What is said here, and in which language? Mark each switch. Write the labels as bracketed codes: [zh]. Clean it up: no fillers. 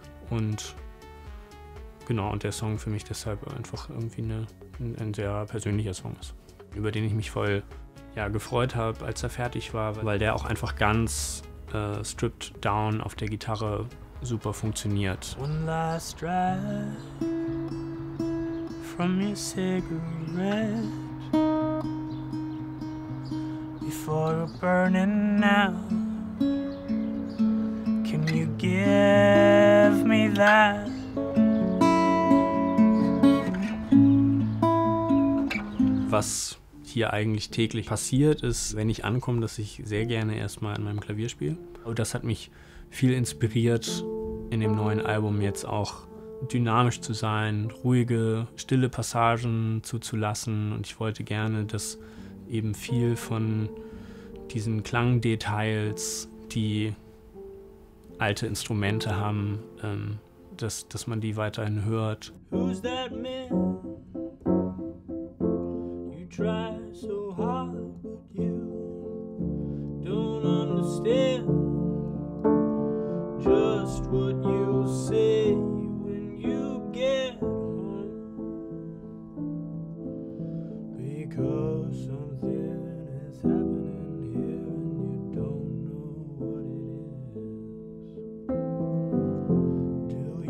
[de] Und genau, und der Song für mich deshalb einfach irgendwie ein sehr persönlicher Song ist, über den ich mich voll gefreut habe, als er fertig war, weil der auch einfach ganz [en] stripped down [de] auf der Gitarre super funktioniert. [en] One last drag from your cigarette before you're burning now. Can you give me that? [de] Was hier eigentlich täglich passiert ist, wenn ich ankomme, dass ich sehr gerne erstmal an meinem Klavier spiele. Und das hat mich viel inspiriert, in dem neuen Album jetzt auch dynamisch zu sein, ruhige, stille Passagen zuzulassen. Und ich wollte gerne, dass eben viel von diesen Klangdetails, die alte Instrumente haben, dass man die weiterhin hört. [en] Who's that man? Try so hard, but you don't understand just what you say when you get home, because something is happening here and you don't know what it is.